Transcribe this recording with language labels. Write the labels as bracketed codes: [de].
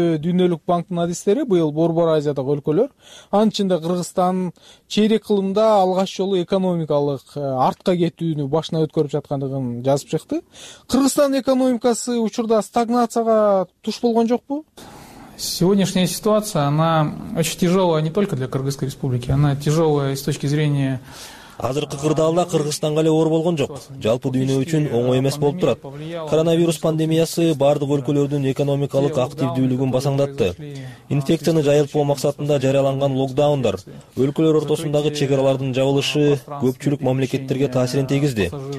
[ky] Дүйнөлүк банктын адистери быйыл Борбор Азиядагы өлкөлөр, анын ичинде Кыргызстан чейрек кылымда алгач жолу экономикалык артка кетүүнү башынан өткөрүп жаткандыгын жазып чыкты. Кыргызстан экономикасы учурда стагнацияга туш болгон жокпу? [ru] Сегодняшняя ситуация, она очень тяжелая не только для Кыргызской республики, она тяжелая с точки зрения... [ky] Азыркы кырдаалда Кыргызстанга эле оор болгон жок. Жалпы дүйнө үчүн оңой эмес болуп турат. Коронавирус пандемиясы бардык өлкөлөрдүн экономикалык активдүүлүгүн басаңдатты. Инфекцияны жайылтпоо максатында жарыяланган локдаундар, өлкөлөр ортосундагы чек аралардын жабылышы көпчүлүк мамлекеттерге таасирин тийгизди.